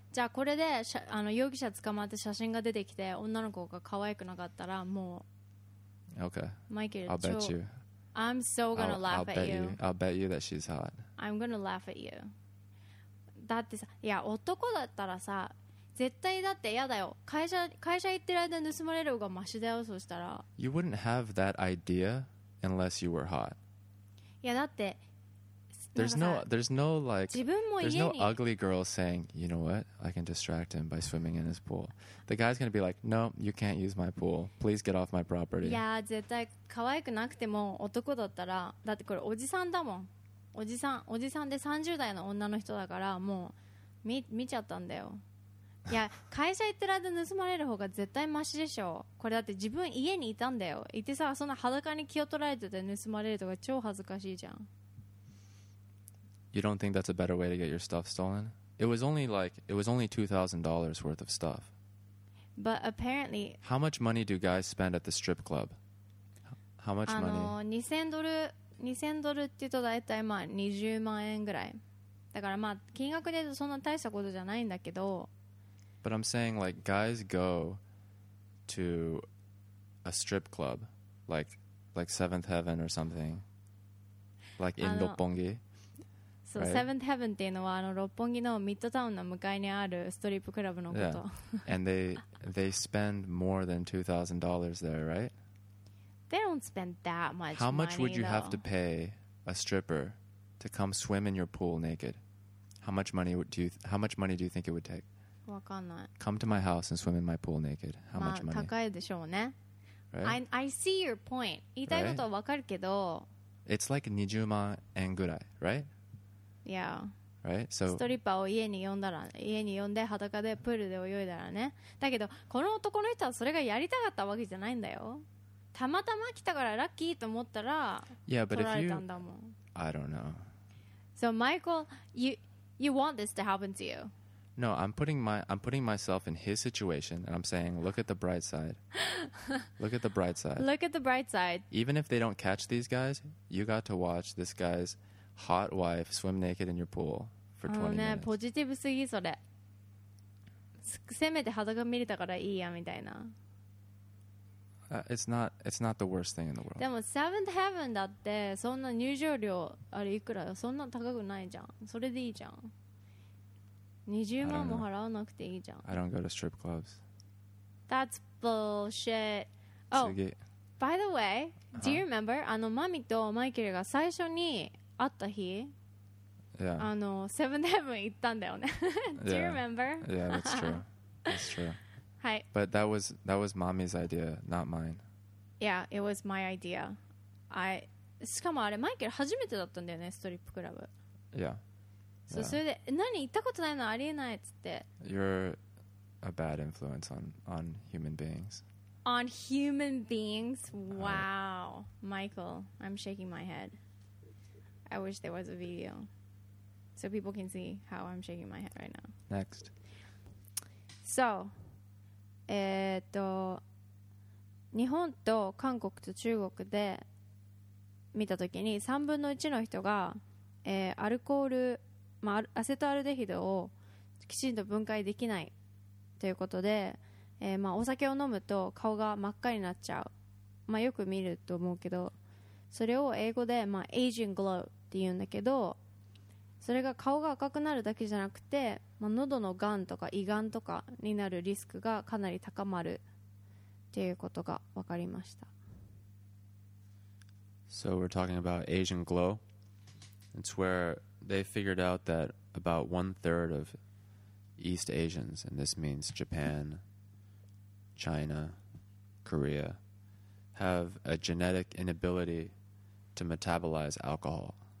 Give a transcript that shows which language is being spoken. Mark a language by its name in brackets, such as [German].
[Japanese] じゃあこれで容疑者捕まって写真が出てきて女の子が可愛くなかったらもう [English] Okay. [Japanese] マイケル [English] I'll bet you. I'm so gonna laugh I'll bet at you. You. I'll bet you that she's hot. I'm gonna laugh at you. [Japanese] だってさ、いや男だったらさ絶対だって嫌だよ。会社行ってる間盗まれる方がマシだよ。そしたら [English] You wouldn't have that idea unless you were hot. [Japanese] いやだって [English] There's no like, there's no ugly girl saying, you know what, I can distract him by swimming in his pool. The guy's going to be like, no, you can't use my pool. Please get off my property. [Japanese] Yeah, 絶対可愛くなくても男だったら、だってこれおじさんだもん。おじさんで30代の女の人だから、もう見ちゃったんだよ。いや、会社行ってる間盗まれる方が絶対マシでしょ。これだって自分家にいたんだよ。いてさ、そんな裸に気を取られてて盗まれるとか超恥ずかしいじゃん。 [English] You don't think that's a better way to get your stuff stolen? It was only $2,000 worth of stuff. But apparently... How much money do guys spend at the strip club? How much money? [Japanese] 2000ドルって言うとだいたい20万円ぐらい。だからまあ金額でそんな大したことじゃないんだけど。 [English] But I'm saying like guys go to a strip club like Seventh Heaven or something. Like in Roppongi. [Japanese] So Seventh Heaven っていうのはあの六本木のミッドタウンの向かいにあるストリップクラブのこと。 [English] Yeah. And they spend more than $2,000 there, right? They don't spend that much money. How much money, would you、 though? Have to pay a stripper to come swim in your pool naked? How much money do you think it would take? [Japanese] わかんない。 [English] Come to my house and swim in my pool naked. How、 [Japanese] まあ、 [English] much money? [Japanese] 高いでしょうね。 [English] Right? I see your point. [Japanese] 言いたいことはわかるけど。 [English] It's like [Japanese] 20万円ぐらい、 [English] right? Yeah. Right? So, [Japanese] ストリッパーを家に呼んで裸でプールで泳いだらね。だけどこの男の人はそれがやりたかったわけじゃないんだよ。たまたま来たからラッキーと思ったら取られたんだもん。 [English] Yeah, but if you, I don't know. So Michael, you want this to happen to you? No, I'm putting myself in his situation, and I'm saying, look at the bright side. Look at the bright side. Look at the bright side. Even if they don't catch these guys, you got to watch this guy's hot wife swim naked in your pool for 20 minutes. [Japanese] ポジティブすぎそれ。せめて裸見れたからいいやみたいな。 [English] It's not the worst thing in the world. [Japanese] でも Seventh Heaven だってそんな入場料あれいくらよ、そんな高くないじゃん。それでいいじゃん。 20万も払わなくていいじゃん。 [English] I don't go to strip clubs. That's bullshit. Oh, by the way, do you remember [Japanese] あのマミとマイケルが最初に会った日、 [English] yeah. [Japanese] あの Seventh Heaven 行ったんだよね。 [English] Do you remember? Yeah, that's true. That's true. Hi. But that was mommy's idea, not mine. Yeah, it was my idea. [Japanese] I しかもあれマイケル初めてだったんだよねストリップクラブ。 [English] Yeah. [Japanese] So, yeah. それで何行ったことないのありえないっつって。 [English] You're a bad influence on human beings. On human beings? Wow, Michael, I'm shaking my head. I wish there was a video, so people can see how I'm shaking my head right now. Next. So. [Japanese] 日本と韓国と中国で見たときに3分の1の人が、アルコール、まあ、アセトアルデヒドをきちんと分解できないということで、まあ、お酒を飲むと顔が真っ赤になっちゃう、まあ、よく見ると思うけど、それを英語で、まあ、アジンググローって言うんだけど、それが顔が赤くなるだけじゃなくて、まあ、喉のがんとか胃がんとかになるリスクがかなり高まるっていうことが分かりました。 [English] So we're talking about Asian glow. It's where they figured out that about 1/3 of East Asians, and this means Japan, China, Korea, have a genetic inability to metabolize alcohol.